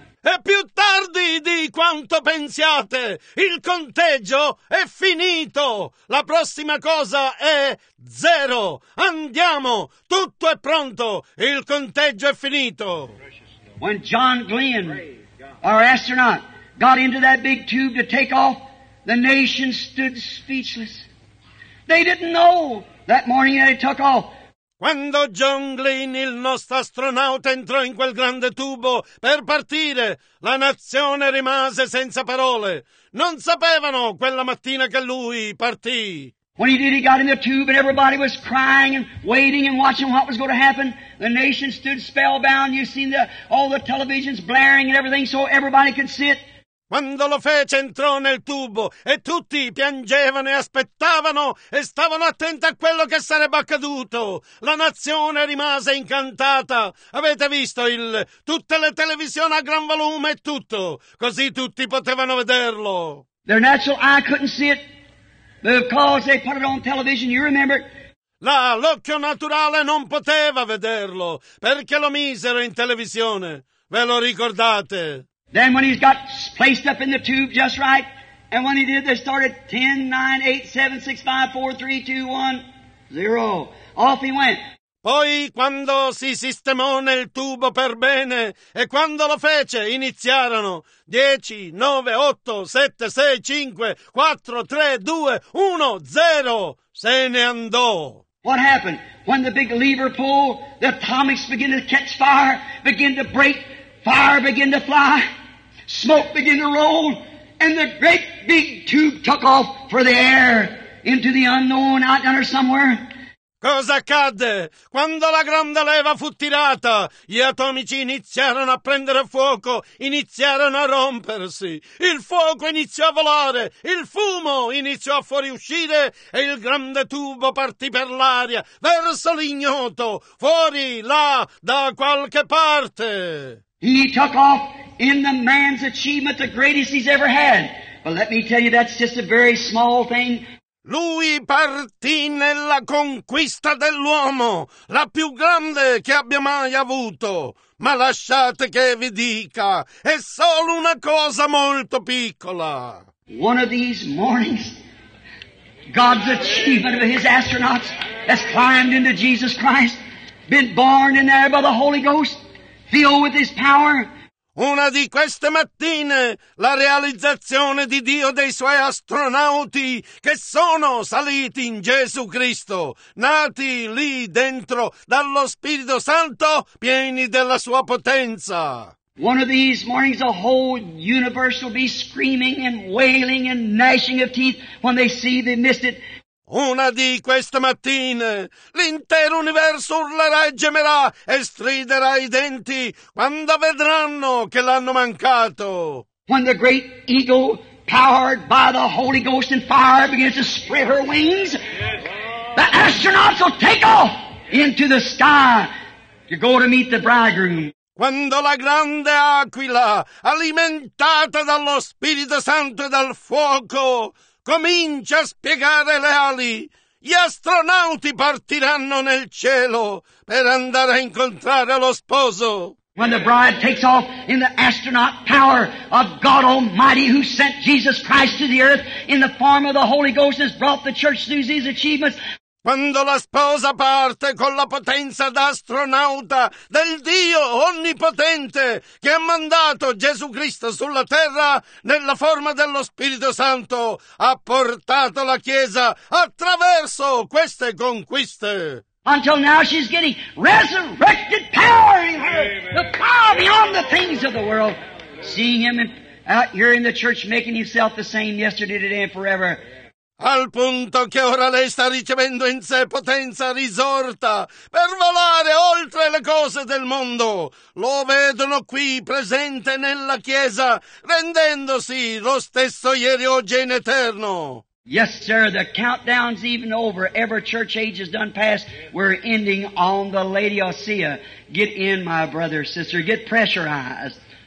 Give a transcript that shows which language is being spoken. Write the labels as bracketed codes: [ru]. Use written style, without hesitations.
[it] E più tardi di quanto pensiate, il conteggio è finito. La prossima cosa è zero. Andiamo, tutto è pronto, il conteggio è finito. [en] When John Glenn, our astronaut, got into that big tube to take off, the nation stood speechless. They didn't know that morning that it took off. [it] Quando John Glenn, il nostro astronauta, entrò in quel grande tubo per partire, la nazione rimase senza parole. Non sapevano quella mattina che lui partì. [en] When he did, he got in the tube and everybody was crying and waiting and watching what was going to happen. The nation stood spellbound. You've seen all the televisions blaring and everything so everybody could sit. [it] Quando lo fece, entrò nel tubo e tutti piangevano e aspettavano e stavano attenti a quello che sarebbe accaduto. La nazione rimase incantata. Avete visto tutte le televisioni a gran volume e tutto. Così tutti potevano vederlo. [en] Their natural eye couldn't see it, but because they put it on television, you remember it. [it] Là, l'occhio naturale non poteva vederlo, perché lo misero in televisione. Ve lo ricordate? [en] Then when he's got placed up in the tube just right, and when he did, they started 10, 9, 8, 7, 6, 5, 4, 3, 2, 1, 0. Off he went. [it] Poi, quando si sistemò nel tubo per bene, e quando lo fece, iniziarono 10, 9, 8, 7, 6, 5, 4, 3, 2, 1, 0. Se ne andò. [en] What happened? When the big lever pulled, the atomics began to catch fire, began to break, fire began to fly, smoke began to roll, and the great big tube took off for the air into the unknown out under somewhere. [it] Cosa accadde? Quando la grande leva fu tirata, gli atomici iniziarono a prendere fuoco, iniziarono a rompersi. Il fuoco iniziò a volare, il fumo iniziò a fuoriuscire e il grande tubo partì per l'aria, verso l'ignoto, fuori, là, da qualche parte. [en] He took off in the man's achievement, the greatest he's ever had. But let me tell you, that's just a very small thing. [it] Lui partì nella conquista dell'uomo, la più grande che abbia mai avuto. Ma lasciate che vi dica, è solo una cosa molto piccola. [en] One of these mornings, God's achievement of his astronauts has climbed into Jesus Christ, been born in there by the Holy Ghost, filled with his power. [it] Una di queste mattine, la realizzazione di Dio dei suoi astronauti che sono saliti in Gesù Cristo, nati lì dentro dallo Spirito Santo, pieni della sua potenza. [en] One of these mornings the whole universe will be screaming and wailing and gnashing of teeth when they see they missed it. [it] Una di queste mattine l'intero universo urlerà e gemerà e striderà i denti quando vedranno che l'hanno mancato. [en] When the great eagle, powered by the Holy Ghost and fire, begins to spread her wings, the astronauts will take off into the sky to go to meet the bridegroom. [it] Quando la grande aquila, alimentata dallo Spirito Santo e dal fuoco, comincia a spiegare le ali. Gli astronauti partiranno nel cielo per andare a incontrare lo sposo. [en] When the bride takes off in the astronaut power of God Almighty, who sent Jesus Christ to the earth in the form of the Holy Ghost, has brought the church through these achievements. [it] Quando la sposa parte con la potenza d'astronauta del Dio Onnipotente che ha mandato Gesù Cristo sulla terra nella forma dello Spirito Santo, ha portato la Chiesa attraverso queste conquiste. [en] Until now she's getting resurrected power in her, the power beyond the things of the world. Seeing him out here in the church making himself the same yesterday, today and forever. [it] Al punto che ora lei sta ricevendo in sé potenza risorta per volare oltre le cose del mondo. Lo vedono qui, presente nella Chiesa, rendendosi lo stesso ieri, oggi e in eterno. [en] Yes, sir, the countdown's even over. Every church age is done past. We're ending on the Laodicea. Get in, my brother, sister, get pressurized.